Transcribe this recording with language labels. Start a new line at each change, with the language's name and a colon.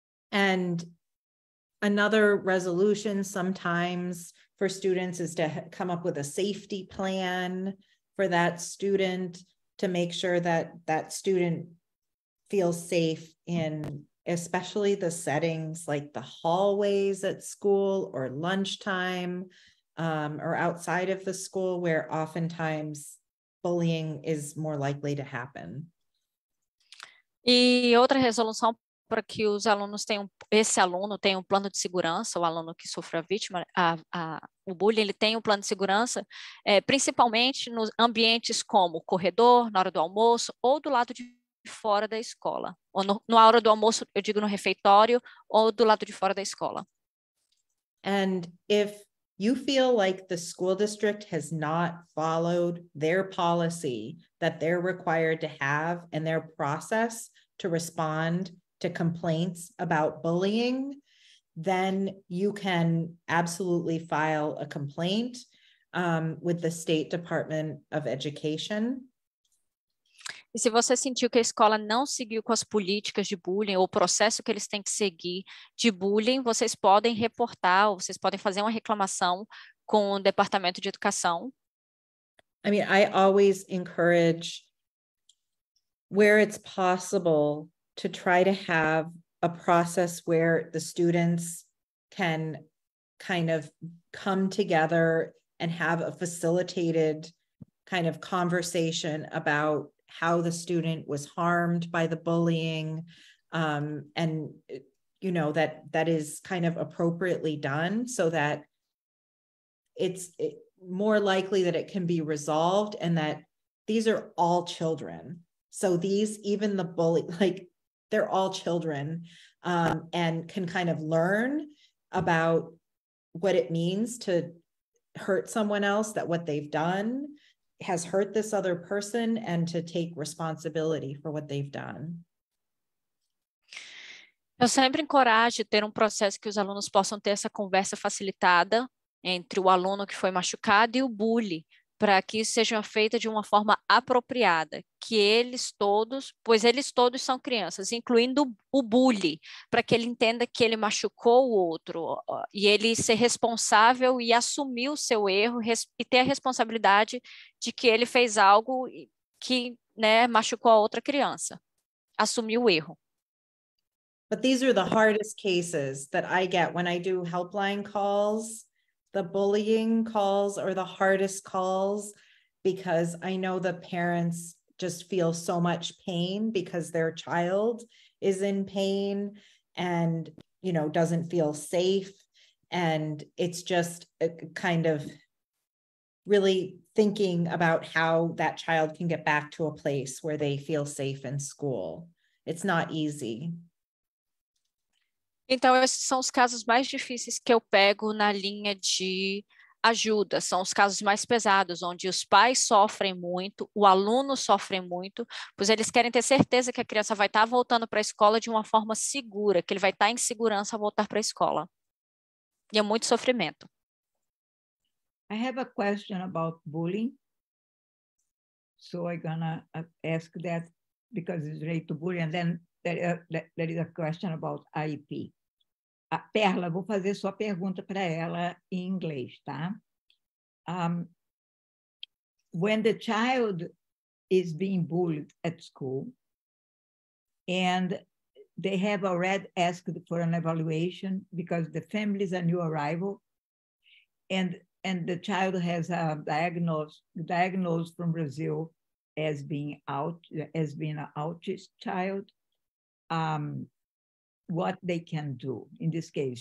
English: And another resolution sometimes for students is to come up with a safety plan for that student to make sure that that student feels safe in especially the settings like the hallways at school or lunchtime or outside of the school where oftentimes bullying is more likely to happen.
Portuguese: E outra resolução para que os alunos tenham, esse aluno tem um plano de segurança, o aluno que sofre a vítima, o bullying, ele tem um plano de segurança, principalmente nos ambientes como corredor, na hora do almoço ou do lado de fora da escola. Ou no, na hora do almoço, eu digo no refeitório ou do lado de fora da escola.
English: And if you feel like the school district has not followed their policy that they're required to have and their process to respond to complaints about bullying, then you can absolutely file a complaint with the State Department of Education.
Portuguese: E se você sentiu que a escola não seguiu com as políticas de bullying ou o processo que eles têm que seguir de bullying, vocês podem reportar ou vocês podem fazer uma reclamação com o Departamento de Educação.
English: I mean, I always encourage where it's possible to try to have a process where the students can kind of come together and have a facilitated kind of conversation about how the student was harmed by the bullying, and you know that that is kind of appropriately done so that it's more likely that it can be resolved and that these are all children. So these, even the bully, like they're all children and can kind of learn about what it means to hurt someone else, that what they've done has hurt this other person and to take responsibility for what they've done.
Portuguese: Eu sempre encorajo ter um processo que os alunos possam ter essa conversa facilitada entre o aluno que foi machucado e o bully, para que isso seja feito de uma forma apropriada, que eles todos, pois eles todos são crianças, incluindo o bully, para que ele entenda que ele machucou o outro, e ele ser responsável e assumir o seu erro, e ter a responsabilidade de que ele fez algo que, né, machucou a outra criança, assumir o erro.
English: But these are the hardest cases that I get when I do helpline calls. The bullying calls are the hardest calls because I know the parents just feel so much pain because their child is in pain and, you know, doesn't feel safe. And it's just a kind of really thinking about how that child can get back to a place where they feel safe in school. It's not easy.
Portuguese: Então, esses são os casos mais difíceis que eu pego na linha de ajuda. São os casos mais pesados, onde os pais sofrem muito, o aluno sofre muito, pois eles querem ter certeza que a criança vai estar voltando para a escola de uma forma segura, que ele vai estar em segurança ao voltar para a escola. E é muito sofrimento.
English: I have a question about bullying. So I'm going to ask that because it's related to bullying. And then there is a question about IEP.
Portuguese: A Perla, vou fazer sua pergunta para ela em inglês, tá?
English: When the child is being bullied at school and they have already asked for an evaluation because the family is a new arrival and the child has a diagnosed from Brazil as being an autistic child, what they can do in this case?